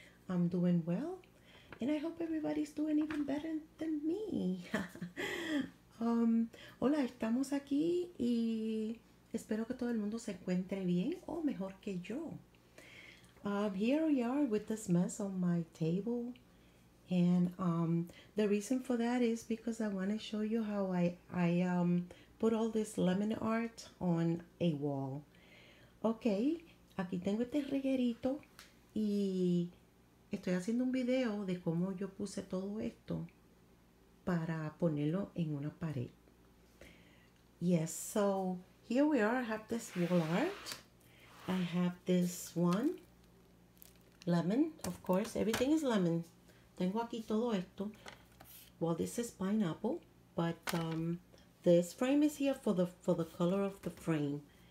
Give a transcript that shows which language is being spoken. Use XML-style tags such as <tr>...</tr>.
<en>I'm doing well, and I hope everybody's doing even better than me.</en> <es>Hola, estamos aquí y espero que todo el mundo se encuentre bien o mejor que yo.</es> <en>Here we are with this mess on my table, and the reason for that is because I want to show you how I put all this lemon art on a wall.</en> <es>Okay, aquí tengo este reguerito y estoy haciendo un video de cómo yo puse todo esto para ponerlo en una pared.</es> <en>Yes, so here we are. I have this wall art. I have this one. Lemon, of course, everything is lemon.</en> <es>Tengo aquí todo esto.</es> <en>Well, this is pineapple, but this frame is here for the color of the frame.</en>